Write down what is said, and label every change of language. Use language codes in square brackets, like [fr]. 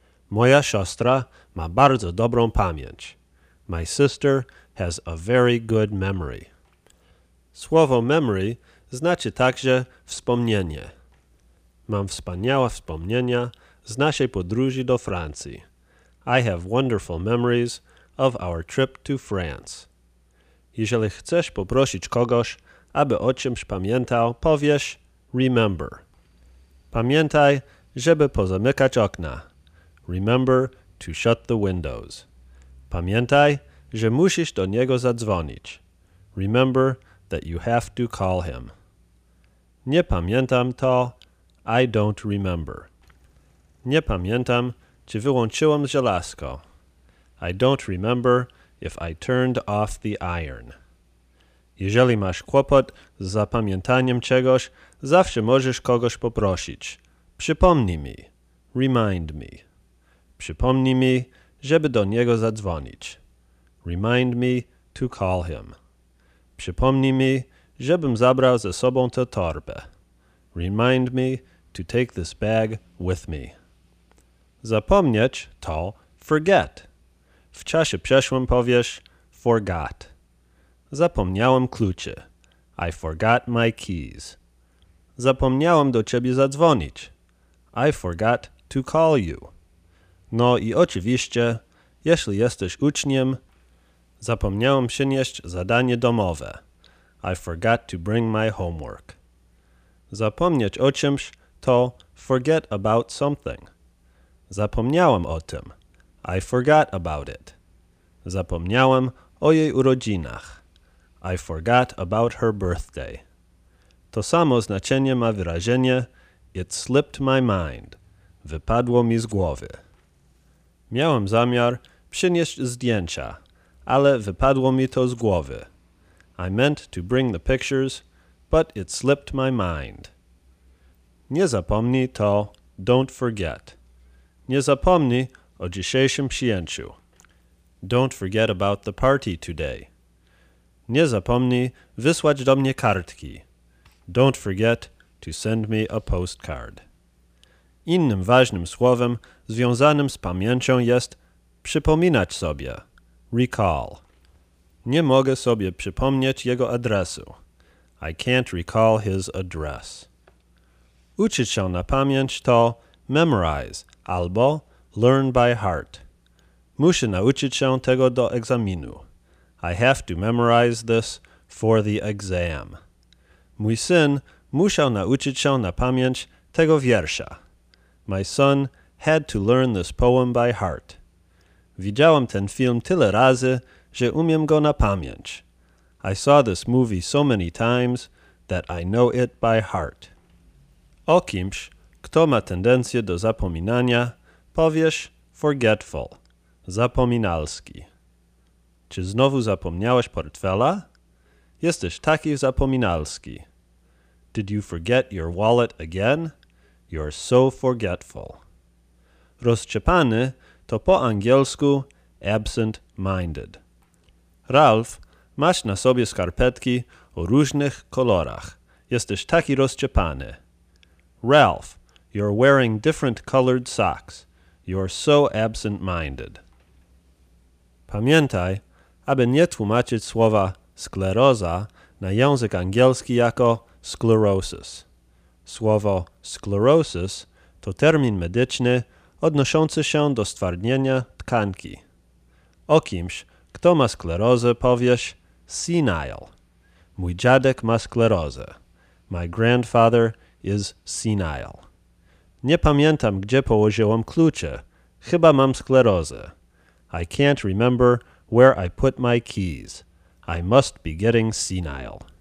[pl] Moja siostra ma bardzo dobrą pamięć. [en] My sister has a very good memory. [pl] Słowo memory znaczy także wspomnienie. Mam wspaniałe wspomnienia z naszej podróży do Francji. [en] I have wonderful memories of our trip to France. [pl] Jeżeli chcesz poprosić kogoś, aby o czymś pamiętał, powiesz remember. Pamiętaj, żeby pozamykać okna. [en] Remember to shut the windows. [pl] Pamiętaj, że musisz do niego zadzwonić. [en] Remember that you have to call him. [pl] Nie pamiętam to. [en] I don't remember. [pl] Nie pamiętam, czy wyłączyłem żelazko. [en] I don't remember if I turned off the iron. [pl] Jeżeli masz kłopot z zapamiętaniem czegoś, zawsze możesz kogoś poprosić. Przypomnij mi. [en] Remind me. [pl] Przypomnij mi, żeby do niego zadzwonić. [en] Remind me to call him. [pl] Przypomnij mi, żebym zabrał ze sobą tę torbę. [en] Remind me to take this bag with me. [pl] Zapomnieć to forget. W czasie przeszłym powiesz forgot. Zapomniałem klucze. [en] I forgot my keys. [pl] Zapomniałem do ciebie zadzwonić. [en] I forgot to call you. [pl] No i oczywiście, jeśli jesteś uczniem, zapomniałem przynieść zadanie domowe. [en] I forgot to bring my homework. [pl] Zapomnieć o czymś [en] to forget about something. [pl] Zapomniałem o tym. [en] I forgot about it. [pl] Zapomniałem o jej urodzinach. [en] I forgot about her birthday. [pl] To samo znaczenie ma wyrażenie [en] it slipped my mind. [pl] Wypadło mi z głowy. Miałem zamiar przynieść zdjęcia, ale wypadło mi to z głowy. [en] I meant to bring the pictures, but it slipped my mind. [pl] Nie zapomnij to, [en] don't forget. [pl] Nie zapomnij o dzisiejszym przyjęciu. [en] Don't forget about the party today. [pl] Nie zapomnij wysłać do mnie kartki. [en] Don't forget to send me a postcard. [pl] Innym ważnym słowem związanym z pamięcią jest przypominać sobie. Recall. Nie mogę sobie przypomnieć jego adresu. [en] I can't recall his address. [pl] Uczyć się na pamięć to memorize albo learn by heart. Muszę nauczyć się tego do egzaminu. [en] I have to memorize this for the exam. [pl] Mój syn musiał nauczyć się na pamięć tego wiersza. [en] My son had to learn this poem by heart. [pl] Widziałem ten film tyle razy, że umiem go na pamięć. [en] I saw this movie so many times that I know it by heart. [pl] O kimś, kto ma tendencję do zapominania, powiesz forgetful, zapominalski. Czy znowu zapomniałeś portfela? Jesteś taki zapominalski. [en] Did you forget your wallet again? You're so forgetful. [pl] Rozczepany to po angielsku absent-minded. Ralph, masz na sobie skarpetki o różnych kolorach. Jesteś taki rozczepany. [en] Ralph, you're wearing different colored socks. You're so absent-minded. [pl] Pamiętaj, aby nie tłumaczyć słowa skleroza na język angielski jako sclerosis. Słowo sclerosis to termin medyczny odnoszący się do stwardnienia tkanki. O kimś, kto ma sklerozę, powiesz senile. Mój dziadek ma sklerozę. [en] My grandfather is senile. [pl] Nie pamiętam, gdzie położyłem klucze. Chyba mam sklerozę. [en] I can't remember where I put my keys. I must be getting senile.